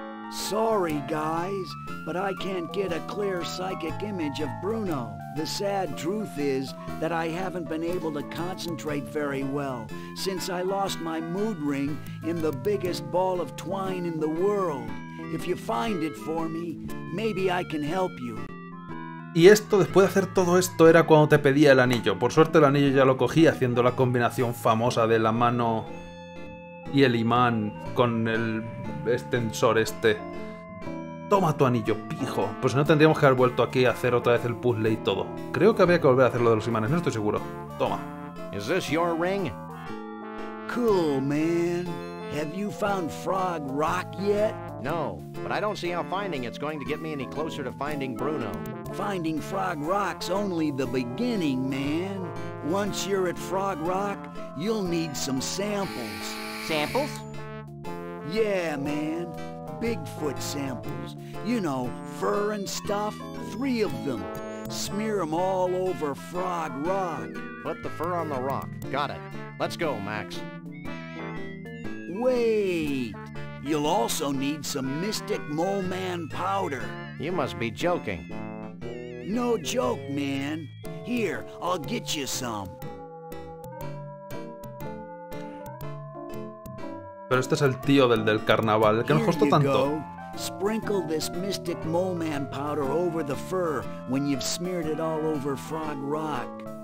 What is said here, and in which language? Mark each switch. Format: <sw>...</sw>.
<en>Sorry, guys, but I can't get a clear psychic image of Bruno. The sad truth is that I haven't been able to concentrate very well since I lost my mood ring in the biggest ball of twine in the world. If you find it for me, maybe I can help you.</en> <es>Y esto, después de hacer todo esto, era cuando te pedía el anillo. Por suerte el anillo ya lo cogí haciendo la combinación famosa de la mano y el imán con el extensor este. Toma tu anillo, pijo. Pues no tendríamos que haber vuelto aquí a hacer otra vez el puzzle y todo. Creo que había que volver a hacer lo de los imanes, no estoy seguro. Toma.</es> <en>Is this your ring? Cool, man. Have you found Frog Rock yet? No, but I don't see how finding it's going to get me any closer to finding Bruno. Finding Frog Rock's only the beginning, man. Once you're at Frog Rock, you'll need some samples. Samples? Yeah, man. Bigfoot samples. You know, fur and stuff. Three of them. Smear them all over Frog Rock. Put the fur on the rock. Got it. Let's go, Max. Wait. You'll also need some Mystic Mole Man powder. You must be joking. No joke, man. Here, I'll get you some.</en> <es>Pero este es el tío del carnaval, que nos costó tanto.</es> <en>Here you go. Sprinkle this Mystic Mole Man powder over the fur when you've smeared it all over Frog Rock.</en>